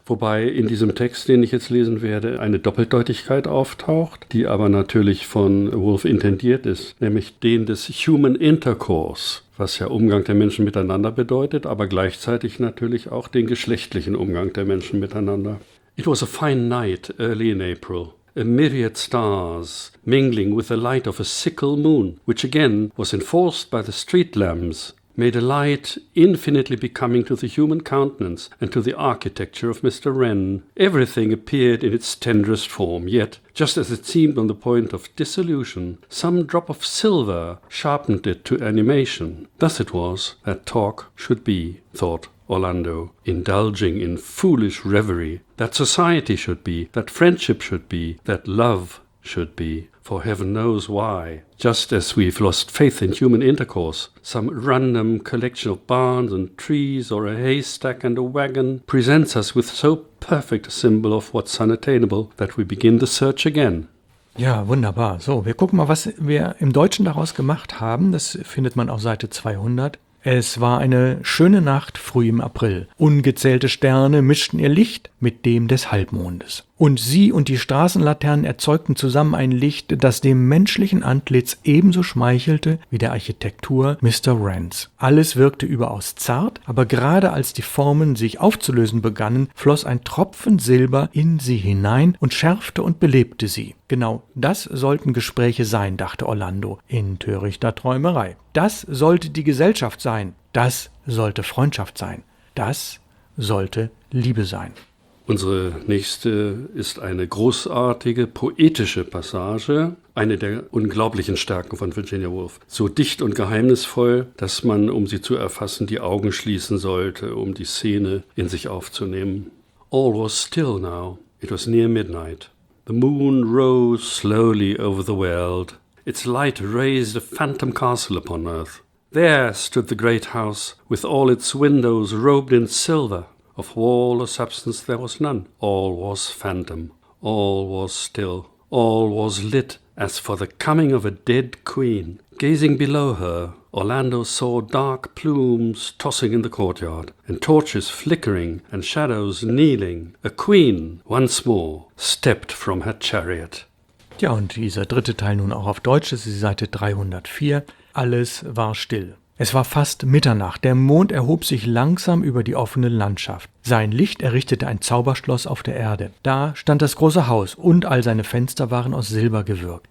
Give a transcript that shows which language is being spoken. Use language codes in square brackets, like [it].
[de] Wobei in diesem Text, den ich jetzt lesen werde, eine Doppeldeutigkeit auftaucht, die aber natürlich von Woolf intendiert ist, nämlich den des Human Intercourse, was ja Umgang der Menschen miteinander bedeutet, aber gleichzeitig natürlich auch den geschlechtlichen Umgang der Menschen miteinander. [en] It was a fine night early in April, a myriad stars mingling with the light of a sickle moon, which again was enforced by the street lamps, made a light infinitely becoming to the human countenance and to the architecture of Mr. Wren. Everything appeared in its tenderest form, yet, just as it seemed on the point of dissolution, some drop of silver sharpened it to animation. Thus it was that talk should be, thought Orlando, indulging in foolish reverie, that society should be, that friendship should be, that love should be. For heaven knows why, just as we've lost faith in human intercourse, some random collection of barns and trees or a haystack and a wagon presents us with so perfect a symbol of what's unattainable that we begin the search again. [de] Ja, wunderbar. So, wir gucken mal, was wir im Deutschen daraus gemacht haben. Das findet man auf Seite 200. Es war eine schöne Nacht früh im April. Ungezählte Sterne mischten ihr Licht mit dem des Halbmondes. Und sie und die Straßenlaternen erzeugten zusammen ein Licht, das dem menschlichen Antlitz ebenso schmeichelte wie der Architektur Mr. Wrens. Alles wirkte überaus zart, aber gerade als die Formen sich aufzulösen begannen, floss ein Tropfen Silber in sie hinein und schärfte und belebte sie. Genau das sollten Gespräche sein, dachte Orlando in törichter Träumerei. Das sollte die Gesellschaft sein. Das sollte Freundschaft sein. Das sollte Liebe sein. Unsere nächste ist eine großartige, poetische Passage, eine der unglaublichen Stärken von Virginia Woolf. So dicht und geheimnisvoll, dass man, um sie zu erfassen, die Augen schließen sollte, um die Szene in sich aufzunehmen. [en] All was still now. It was near midnight. The moon rose slowly over the world. Its light raised a phantom castle upon earth. There stood the great house, with all its windows robed in silver. Of wall or substance there was none. All was phantom. All was still. All was lit as for the coming of a dead queen. Gazing below her, Orlando saw dark plumes tossing in the courtyard, and torches flickering, and shadows kneeling. A queen, once more, stepped from her chariot. [de] Ja, und dieser dritte Teil nun auch auf Deutsch, das ist die Seite 304. Alles war still. Es war fast Mitternacht, der Mond erhob sich langsam über die offene Landschaft. Sein Licht errichtete ein Zauberschloss auf der Erde. Da stand das große Haus und all seine Fenster waren aus Silber gewirkt.